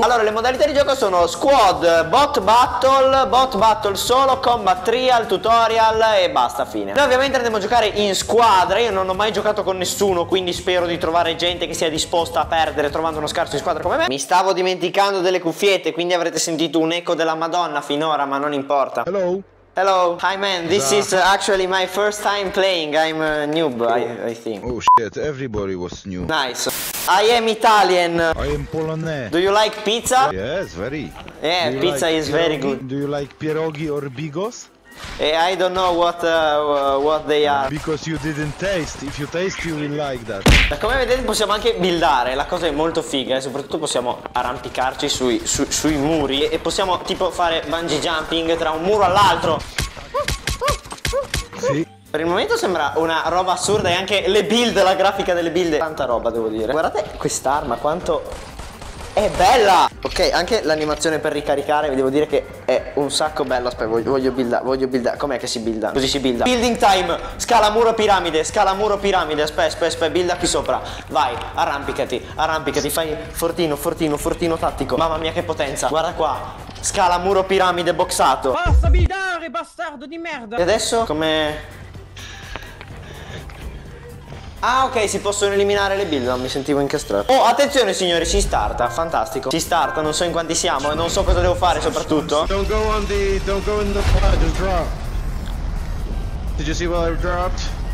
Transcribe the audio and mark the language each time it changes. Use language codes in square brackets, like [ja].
[it] Allora, le modalità di gioco sono squad, bot battle solo, combat trial, tutorial e basta, fine. Noi ovviamente andremo a giocare in squadra, io non ho mai giocato con nessuno, quindi spero di trovare gente che sia disposta a perdere trovando uno scarso in squadra come me. Mi stavo dimenticando delle cuffiette, quindi avrete sentito un eco della Madonna finora, ma non importa. [en] Hello. Hello, hi man, this is actually my first time playing, I'm a noob, I think. Oh shit, everybody was new. Nice. I am Italian. I am Polonaise. Do you like pizza? Yes, very. Yeah, pizza like is pierogi? Very good. Do you like pierogi or bigos? I don't know what they are. Because you didn't taste, if you taste you will like that. [it] Da come vedete possiamo anche buildare, la cosa è molto figa, e soprattutto possiamo arrampicarci sui muri e possiamo tipo fare bungee jumping tra un muro all'altro. Sì. Per il momento sembra una roba assurda, e anche le build, la grafica delle build, tanta roba devo dire. Guardate quest'arma, quanto è bella! Ok, anche l'animazione per ricaricare, vi devo dire che è un sacco bella. Aspetta, voglio builda. Com'è che si builda? Così si builda. [en] Building time! [it] Scala muro piramide. Aspetta, builda qui sopra. Vai, arrampicati. Fai fortino tattico. Mamma mia, che potenza. Guarda qua. Scala muro piramide boxato. Basta buildare, bastardo di merda. E adesso come... Ah ok, si possono eliminare le build, non mi sentivo incastrato. Oh, attenzione signori, si starta, fantastico. Si starta, non so in quanti siamo e non so cosa devo fare soprattutto. [en] Don't go on the, don't go in the fire, just drop. Did you see what I dropped?